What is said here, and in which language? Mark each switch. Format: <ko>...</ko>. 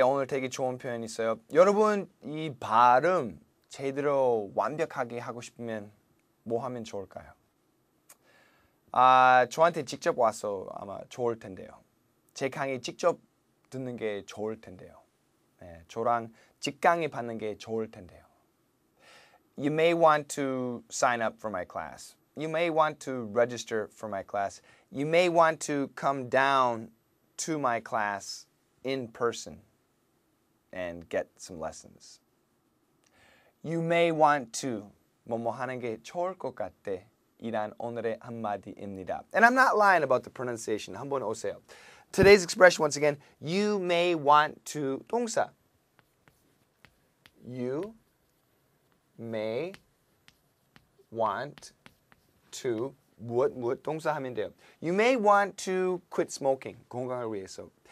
<ko>오늘 되게 좋은 표현이 있어요. 여러분, 이 발음 제대로 완벽하게 하고 싶으면 뭐 하면 좋을까요? 아, 저한테 직접 와서 아마 좋을 텐데요. 제 강의 직접 듣는 게 좋을 텐데요. 네, 저랑 직강의 받는 게 좋을 텐데요.</ko> <en>You may want to sign up for my class. You may want to register for my class. You may want to come down to my class in person and get some lessons. You may want to</en> <ko>뭐뭐 하는 게 좋을 것 같대. 이란 오늘의 한마디입니다.</ko> <en>And I'm not lying about the pronunciation.</en> <ko>한번 오세요.</ko> <en>Today's expression, once again, you may want to 동사. You may want to</en> <ko>무엇 동사 하면 돼요.</ko> <en>You may want to quit smoking.</en> <ko>건강을 위해서.</ko>